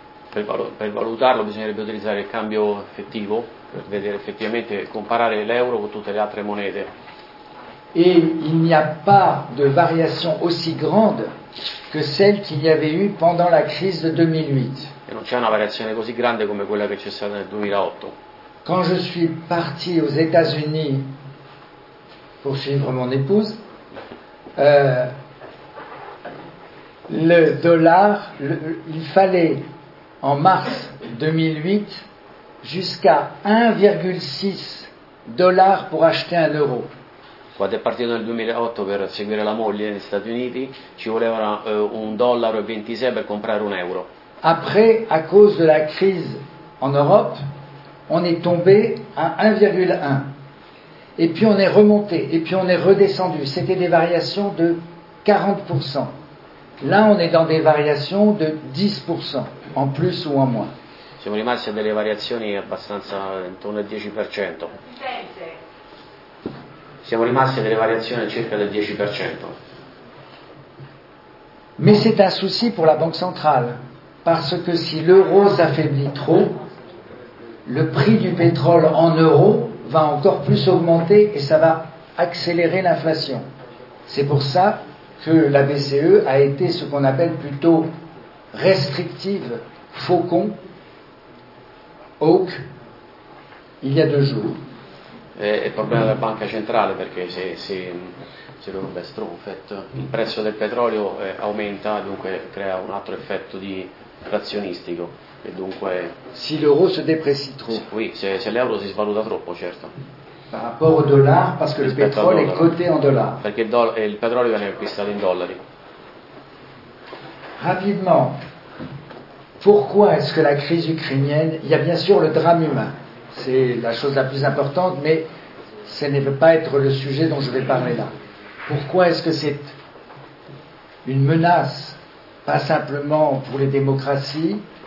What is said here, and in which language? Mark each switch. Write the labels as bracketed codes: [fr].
[it] Per valutarlo bisognerebbe utilizzare il cambio effettivo per vedere effettivamente comparare l'euro con tutte le altre monete. [fr] Et il n'y a pas de variation aussi grande que celle qu'il y avait eu pendant la crise de 2008. [it] Non c'è una variazione così grande come quella che c'è stata nel 2008. [fr] Quand je suis parti aux États-Unis pour suivre mon épouse, le dollar, il fallait en mars 2008 jusqu'à 1,6 dollars pour acheter un euro. [it] quando è partito nel 2008 per seguire la moglie negli Stati Uniti, ci volevano $1.26 per comprare un euro. [fr] Après, à cause de la crise en Europe, on est tombé à 1,1. Et puis on est remonté, et puis on est redescendu. C'était des variations de 40%. Là, on est dans des variations de 10%, en plus ou en moins. [it] Siamo rimasti a delle variazioni abbastanza intorno al 10%. Siamo rimasti a delle variazioni circa del 10%. [fr] Mais c'est un souci pour la Banque centrale. Parce que si l'euro s'affaiblit trop, le prix du pétrole en euros va encore plus augmenter et ça va accélérer l'inflation. C'est pour ça que la BCE a été ce qu'on appelle plutôt restrictive, faucon, hawk, il y a deux jours. [it] È il problema della banca centrale, perché se loro bestro, in effetti, il prezzo del petrolio aumenta, dunque crea un altro effetto di inflazionistico. E dunque, [fr] si l'euro se déprécie trop. [it] Oui, se l'euro si svaluta troppo, certo. [fr] Par rapport au dollar, parce que [it] rispetto [fr] le pétrole est coté en dollar. [it] Perché il petrolio viene acquistato in dollari. [fr] Rapidement, pourquoi est-ce que la crise ukrainienne, il y a bien sûr le drame humain, c'est la chose la plus importante, mais ce ne peut pas être le sujet dont je vais parler là. Pourquoi est-ce que c'est une menace, pas simplement pour les démocraties?